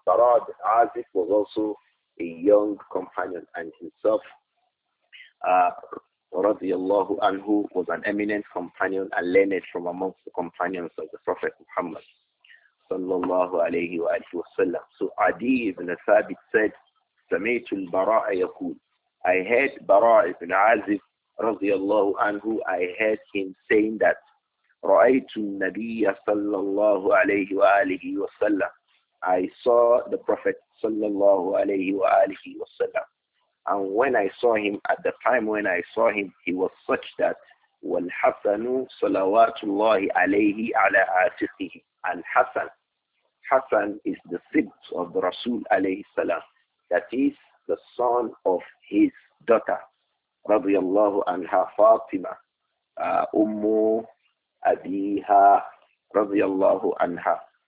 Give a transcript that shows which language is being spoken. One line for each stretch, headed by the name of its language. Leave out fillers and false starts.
English: براء ابن عازب was also a young companion and himself
Arabic: رضي الله عنه
English: was an eminent companion and learned from amongst the companions of the Prophet Muhammad
Arabic: صلى الله عليه وآله وسلم.
English: So Adi ibn Thabit said,
Arabic: سمعت البراء يقول.
English: I heard براء ibn عازب
Arabic: رضي الله عنه.
English: I heard him saying that
Arabic: رأيت النبي صلى الله عليه وآله وسلم.
English: I saw the Prophet
Arabic: صلى الله عليه وآله وسلم.
English: And when I saw him, at the time when I saw him, he was such that
Arabic: والحسن صلوات الله عليه على عاتقه.
English: And Hassan is the sibt of the Rasul alayhi salam, that is the son of his daughter, radiyallahu anha Fatima, Ummu Abiha, radiyallahu anha.